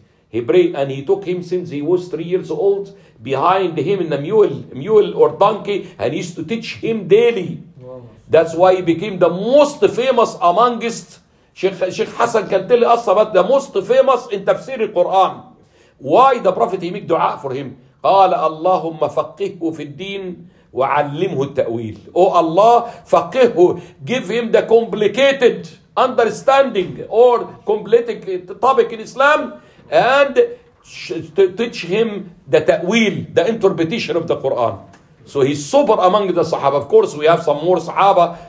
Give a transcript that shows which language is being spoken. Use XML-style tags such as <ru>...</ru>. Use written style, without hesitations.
<en>He prayed and he took him since he was 3 years old behind him in a mule or donkey, and he used to teach him daily. That's why he became the most famous amongst, Sheikh Hassan can tell us about the most famous in tafsir al-Quran. Why the Prophet, he make dua for him.</en> <ar>قال اللهم فقهه في الدين وعلمه التأويل.</ar> <en>Oh Allah, فقهه, give him the complicated understanding or complicated topic in Islam, and teach him the تأويل, the interpretation of the Quran. So he's super among the Sahaba. Of course, we have some more Sahaba.</en>